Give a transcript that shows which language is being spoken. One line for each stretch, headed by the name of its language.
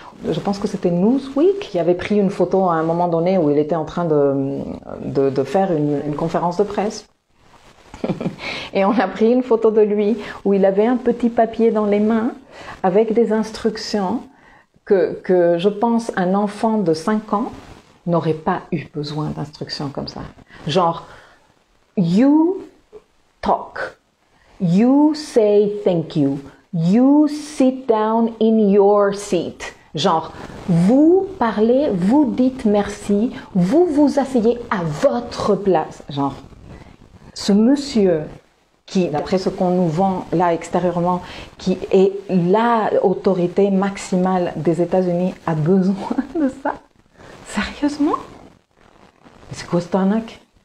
French: Je pense que c'était Newsweek qui avait pris une photo à un moment donné où il était en train de faire une conférence de presse. Et on a pris une photo de lui où il avait un petit papier dans les mains avec des instructions que je pense un enfant de 5 ans n'aurait pas eu besoin d'instructions comme ça.
English: Genre, you talk, you say thank you, you sit down in your seat.
French: Genre, vous parlez, vous dites merci, vous vous asseyez à votre place. Genre, ce monsieur qui, d'après ce qu'on nous vend là extérieurement, qui est l'autorité maximale des États-Unis, a besoin de ça. Sérieusement? Mais c'est quoi cette arnaque?